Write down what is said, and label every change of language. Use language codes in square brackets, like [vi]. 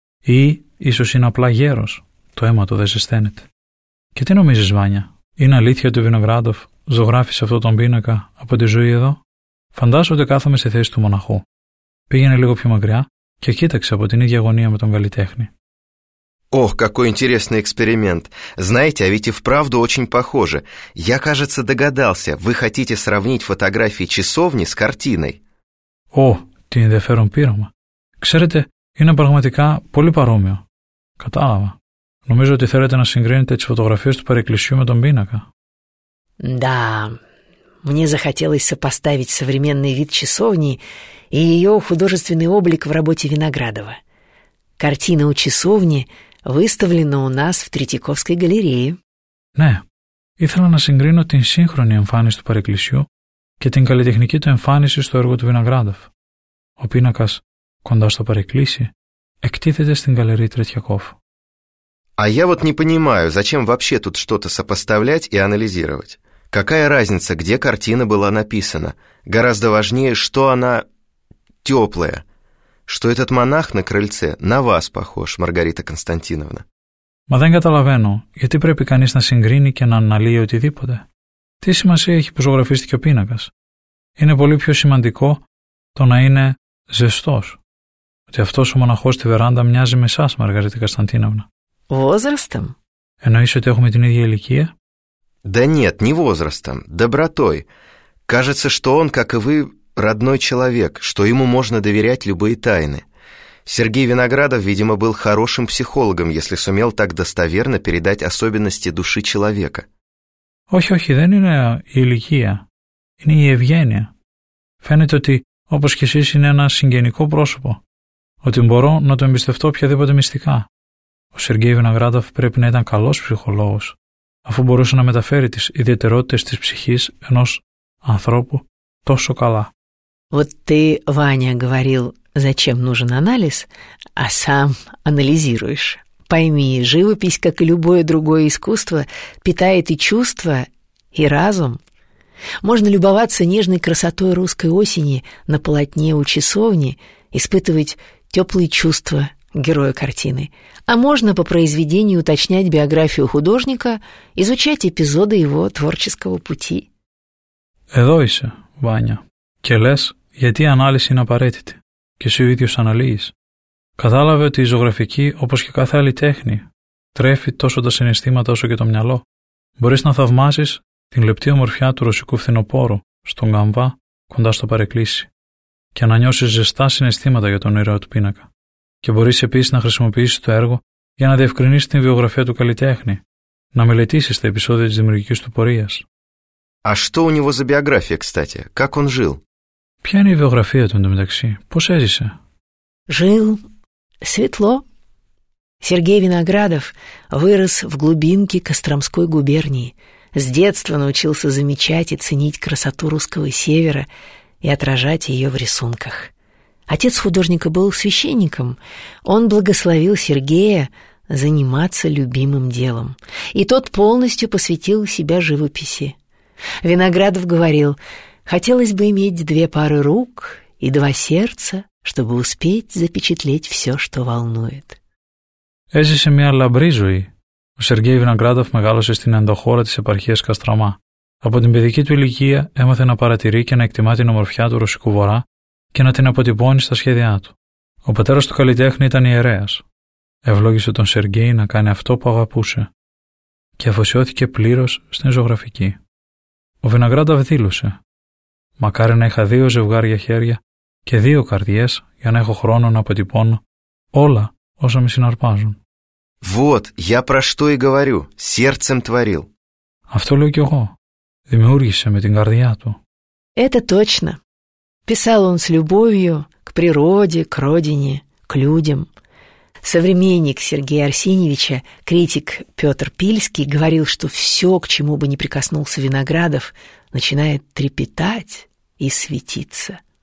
[el] И, ίσως είναι απλά γέρος. Το αίμα του δεν ζεσταίνεται. Και τι νομίζεις, Βάνια, είναι αλήθεια ότι ο Βινογράντοφ ζωγράφισε αυτόν τον πίνακα από τη ζωή εδώ? Φαντάζομαι ότι κάθομαι στη θέση του μοναχού. Πήγαινε λίγο πιο μακριά και κοίταξε από την ίδια γωνία με τον καλλιτέχνη. [ru] Ох, какой интересный эксперимент. Знаете, а ведь и вправду очень похоже. Я, кажется, догадался, вы хотите сравнить фотографии часовни с картиной. [el] О, τι ενδιαφέρον πείραμα. Ξέρετε, είναι πραγματικά πολύ παρόμοιο. Κατάλαβα. Νομίζω ότι θέλετε να συγκρίνετε τις φωτογραφίες του παρεκκλησιού με τον πίνακα. [ru] Да, мне захотелось сопоставить современный вид часовни и ее художественный облик в работе Виноградова. Картина у часовни выставлена у нас в Третьяковской галерее. [el] Ναι, ήθελα να συγκρίνω την σύγχρονη εμφάνιση του παρεκκλησιού και την καλλιτεχνική του εμφάνιση στο έργο του Виноградова. Ο πίνακας, κοντά στο παρεκκλήσι, εκτίθεται στην γαλερία Τρετιακόφ. [ru] А я вот не понимаю, зачем вообще тут что-то сопоставлять и анализировать? Какая разница, где картина была написана? Гораздо важнее, что она теплая. Что этот монах на крыльце на вас похож, Маргарита Константиновна. [el] Μα δεν καταλαβαίνω, γιατί πρέπει κανείς να συγκρίνει και να αναλύει οτιδήποτε. Τι σημασία έχει που ζωγραφίστηκε ο πίνακας? Είναι πολύ πιο σημαντικό το να είναι ζεστός. Ότι αυτός ο μοναχός στη βεράντα μοιάζει με εσάς, Μαργαρίτα Константίновна. [ru] Возрастом? [el] Εννοείς ότι έχουμε την ίδια ηλικία? [ru] Да нет, не возрастом, добротой. Кажется, что он, как и вы, родной человек, что ему можно доверять любые тайны. Сергей Виноградов, видимо, был хорошим психологом, если сумел так достоверно передать особенности души человека. [el] Όχι, όχι, δεν είναι η ηλικία. Είναι η ευγένεια. Φαίνεται ότι, όπως και εσείς, είναι ένα συγγενικό πρόσωπο. Ότι μπορώ να το εμπιστευτώ οποιαδήποτε μυστικά. Ο Σεργέη Βιναγκράντοφ πρέπει να ήταν καλός ψυχολόγος, αφού μπορούσε να μεταφέρει τις ιδιαιτερότητες της ψυχής ενός ανθρώπου τόσο καλά. [ru] Вот ты, Ваня, говорил, зачем нужен анализ, а сам анализируешь. Пойми, живопись, как и любое другое искусство, питает и чувства, и разум. Можно любоваться нежной красотой русской осени на полотне у часовни, испытывать теплые чувства героя картины. А можно по произведению уточнять биографию художника, изучать эпизоды его творческого пути. [el] Εδώ είσαι, Ваня. Και λες, γιατί η ανάλυση είναι απαραίτητη. Και εσύ ο ίδιος αναλύεις. Κατάλαβε ότι η ζωγραφική, όπως και κάθε άλλη τέχνη, τρέφει τόσο τα συναισθήματα όσο και το μυαλό. Μπορείς να θαυμάσεις την λεπτή ομορφιά του ρωσικού φθινοπόρου στον Καμβά κοντά στο παρεκκλήσι και να νιώσεις ζεστά συναισθήματα για τον ήρωα του πίνακα. Και μπορείς επίσης να χρησιμοποιήσεις το έργο για να διευκρινίσεις την βιογραφία του καλλιτέχνη, να μελετήσεις τα επεισόδια της δημιουργικής του πορείας. [ru] «А что у него за биография, кстати? Как он жил?» [el] Ποια είναι η βιογραφία του εντωμεταξύ? Πώς έζησε? [ru] «Жил светло. Сергей Виноградов вырос в глубинке Костромской губернии. С детства научился замечать и ценить красоту русского севера и отражать ее в рисунках. Отец художника был священником. Он благословил Сергея заниматься любимым делом. И тот полностью посвятил себя живописи. Виноградов говорил: «Хотелось бы иметь две пары рук и два сердца, чтобы успеть запечатлеть все, что волнует». [el] Έζησε μια λαμπρή ζωή. Ο Σεργέη Βιναγκράντοφ μεγάλωσε στην ενδοχώρα της επαρχίας Καστραμά. Από την παιδική του ηλικία έμαθε να παρατηρεί και να εκτιμά την ομορφιά του ρωσικού βορρά και να την αποτυπώνει στα σχέδιά του. Ο πατέρας του καλλιτέχνη ήταν ιερέας. Ευλόγησε τον Σεργέη να κάνει αυτό που αγαπούσε και αφοσιώθηκε πλήρως στην ζωγραφική. Ο Βιναγκράντοφ δήλωσε: «Μακάρι να είχα δύο ζευγάρια χέρια και δύο καρδιές για να έχω χρόνο να αποτυπώνω όλα όσα με συναρπάζουν». [ru] Вот, я про что и говорю, сердцем творил. [el] Αυτό λέω και εγώ. Δημιούργησε με την καρδιά του. [ru] Это точно. Писал он с любовью к природе, к родине, к людям. Современник Сергея Арсеньевича, критик Петр Пильский, говорил, что все, к чему бы ни прикоснулся Виноградов, начинает трепетать и светиться.